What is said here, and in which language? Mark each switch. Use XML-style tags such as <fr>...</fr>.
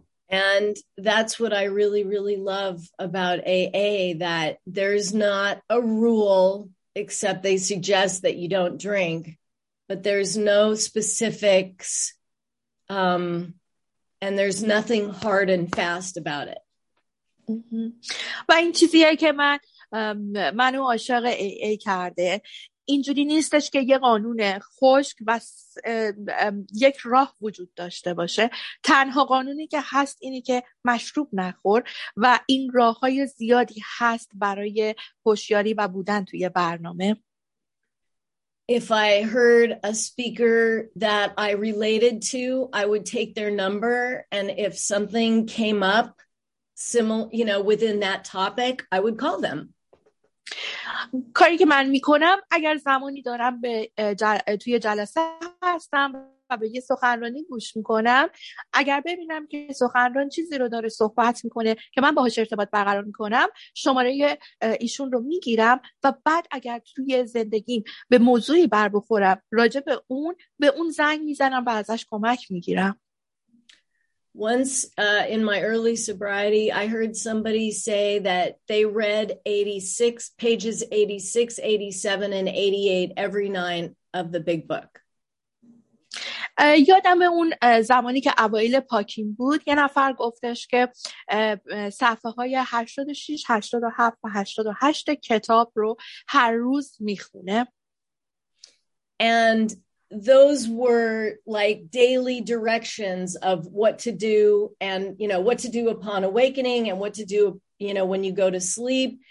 <en>And that's what I really really love about AA, that there's not a rule except they suggest that you don't drink, but there's no specifics and there's nothing hard and fast about it.</en> <fa>و این چیزیه که منو عاشق AA کرده. اینجوری نیستش که یه قانون خشک و یک راه وجود داشته باشه. تنها قانونی که هست اینه که مشروب نخور و این راه‌های زیادی هست برای هوشیاری و بودن توی برنامه.</fa> <en>If I heard a speaker that I related to, I would take their number, and if something came up within that topic, I would call them.</en> <fa>کاری که من میکنم اگر زمانی دارم به توی جلسه هستم و به یه سخنرانی گوش میکنم، اگر ببینم که سخنران چیزی رو داره صحبت میکنه که من باهاش ارتباط برقرار میکنم، شماره ایشون رو میگیرم و بعد اگر توی زندگیم به موضوعی بر بخورم راجع به اون، به اون زنگ میزنم و ازش کمک میگیرم.</fa> <en>Once in my early sobriety, I heard somebody say that they read 86 pages 86, 87, and 88 every night of the big book.</en> <fa>یادم اون زمانی که اوایل پاکین بود یه نفر گفتش که صفحه های 86, 87 و 88 کتاب رو هر روز میخونه.</fa> <en>And those were like daily directions of what to do and, you know, what to do upon awakening and what to do, you know, when you go to sleep.</en>